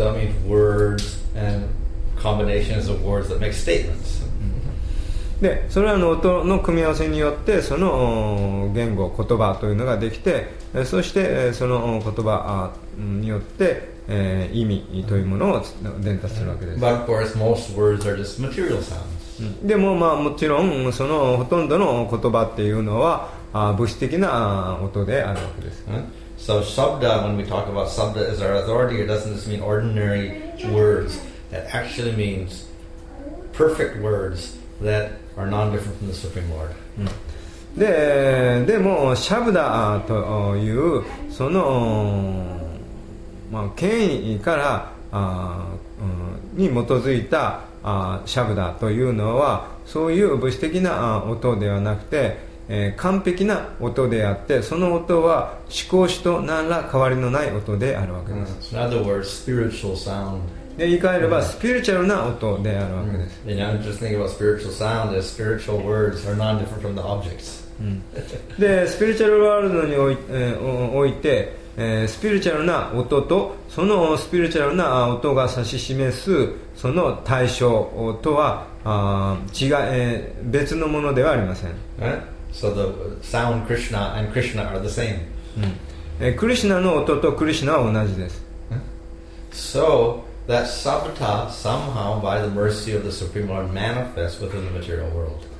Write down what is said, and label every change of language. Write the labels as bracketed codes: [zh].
[en] So that means words and combinations of words that make statements. [ja] で、それらの音の組み合わせによってその言語、言葉というのができて、そしてその言葉によって意味というものを伝達するわけです。 [en] But of course, most words are just material sounds. [ja] でも、まあ、もちろんそのほとんどの言葉っていうのは物質的な音であるわけです。 [en] So shabda, when we talk about shabda as our authority, it doesn't just mean ordinary words. That actually means perfect words that are non-different from the Supreme Lord. [ja] で、でもシャブダというそのまあ権威からに基づいたシャブダというのはそういう物質的な音ではなくて。完璧な音であって、その音は思考主と何ら変わりのない音であるわけです。 [en] In other words, spiritual sound. [ja] で、言い換えればスピリチュアルな音であるわけです。 [en] And I'm just thinking about spiritual sound as spiritual words are non-different from the objects. [ja] で、スピリチュアルワールドにおいて、スピリチュアルな音とそのスピリチュアルな音が指し示すその対象とは違い、別のものではありません。 [en] So the sound Krishna and Krishna are the same. [ja] Krishna の音とクリシュナは同じです。 [en] So that sabda somehow by the mercy of the Supreme Lord manifests within the material world.